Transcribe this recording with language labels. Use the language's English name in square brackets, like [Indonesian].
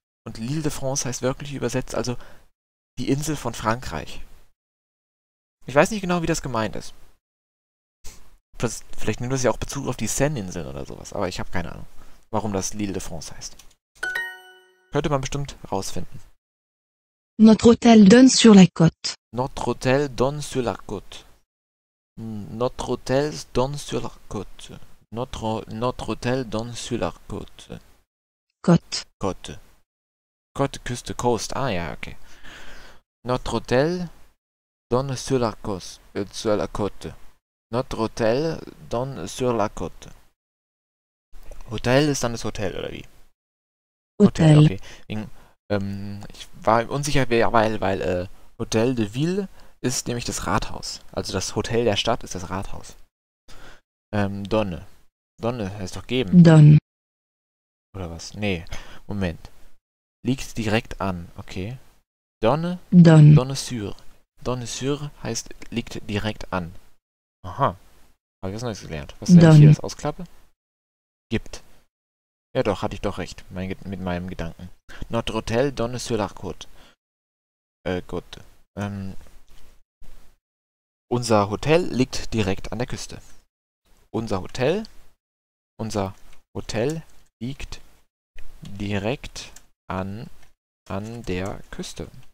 [German] Und L'Île de France heißt wirklich übersetzt, also die Insel von Frankreich. Ich weiß nicht genau, wie das gemeint ist. Vielleicht nimmt das ja auch Bezug auf die Seine-Inseln oder sowas, aber ich habe keine Ahnung, warum das L'Île de France heißt. Könnte man bestimmt rausfinden. [French] Notre hôtel donne sur la côte. Notre hôtel donne sur la côte. Notre hôtel donne sur la côte. Notre hôtel donne sur la côte. Côte. Côte. Côte, [German] Küste, Coast. Ah ja, okay. [French] Notre hôtel donne sur la côte. Sur la côte. Notre hôtel donne sur la côte. [German] Hôtel ist dann das Hotel, oder wie? Hotel. Hotel, okay. Ich war unsicher, weil Hotel de Ville ist nämlich das Rathaus. Also das Hotel der Stadt ist das Rathaus. [French] Donne. Donne [German] heißt doch geben. [French] Donne. [German] Oder was? Nee. Moment. Liegt direkt an. Okay. Donne. [French] Donne. Donne sur. Donne sur [German] heißt liegt direkt an. Aha. Habe ich was Neues gelernt. Was ist denn hier das Ausklappe? Gibt. Ja doch, hatte ich doch recht. Mit meinem Gedanken. [French] Notre Hotel donne sur la côte. [German] Gut. Unser Hotel liegt direkt an der Küste. Unser Hotel liegt direkt an der Küste.